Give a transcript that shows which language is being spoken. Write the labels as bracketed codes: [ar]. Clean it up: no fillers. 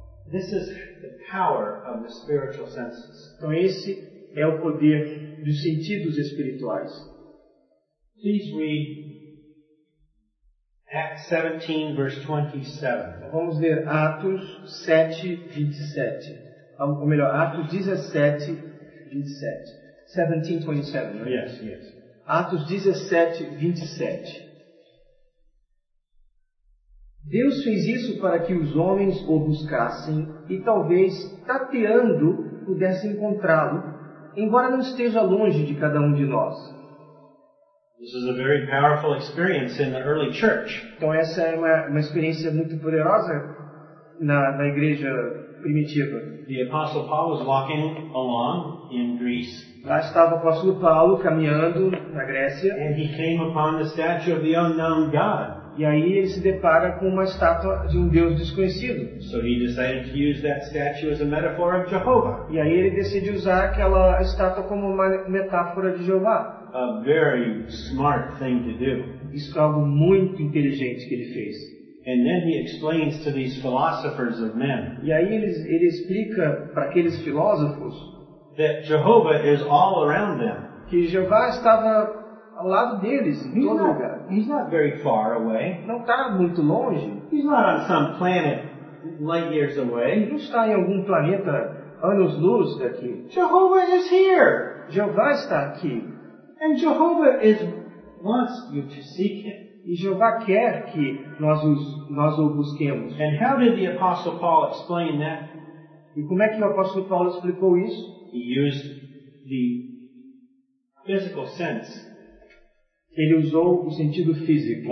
[en] This is the power of the spiritual senses. [pt] Então esse é o poder dos sentidos espirituais. [en] Please read Acts 17, verse 27. [pt] Vamos ler Atos 7, 27. Ou melhor, Atos 17, 27. 17:27, não é? [en] Yes, yes. [pt] Atos 17:27. Deus fez isso para que os homens o buscassem e talvez, tateando, pudessem encontrá-lo, embora não esteja longe de cada um de nós. [en] This is a very powerful experience in the early church. [pt] Então essa é uma experiência muito poderosa na igreja primitiva. [en] The Apostle Paul was walking along in Greece. [pt] Lá estava o Apóstolo Paulo caminhando na Grécia. [en] And he came upon the statue of the unknown God. [pt] E aí ele se depara com uma estátua de um Deus desconhecido. [en] So he decided to use that statue as a metaphor of Jehovah. [pt] E aí ele decide usar aquela estátua como uma metáfora de Jeová. [en] A very smart thing to do. [pt] Isso foi algo muito inteligente que ele fez. [en] And then he explains to these philosophers of men. [pt] E aí ele explica para aqueles filósofos [en] that Jehovah is all around them. [pt] Que Jeová estava ao lado deles em todo lugar. [en] He's not very far away. [pt] Não está muito longe. [en] He's not on some planet light years away. [pt] Ele não está em algum planeta anos-luz daqui. [en] Jehovah is here. [pt] Jeová está aqui. [en] And Jehovah wants you to seek him. [pt] E Jeová quer que nós o busquemos. [en] And how did the Apostle Paul explain that? [pt] E como é que o Apóstolo Paulo explicou isso? [en] He used the physical sense. [pt] Ele usou o sentido físico.